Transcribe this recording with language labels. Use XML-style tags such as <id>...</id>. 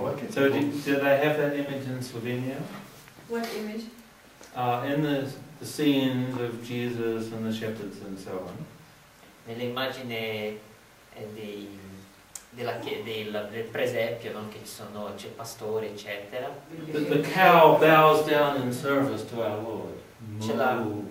<en>So, did I have that image in Slovenia? What image? In the scenes of Jesus and the shepherds and so on.</en> <it>Nelle immagini del presepio, non che ci sono c'è pastore eccetera.</it> <en>The cow bows down in service to our Lord.</en>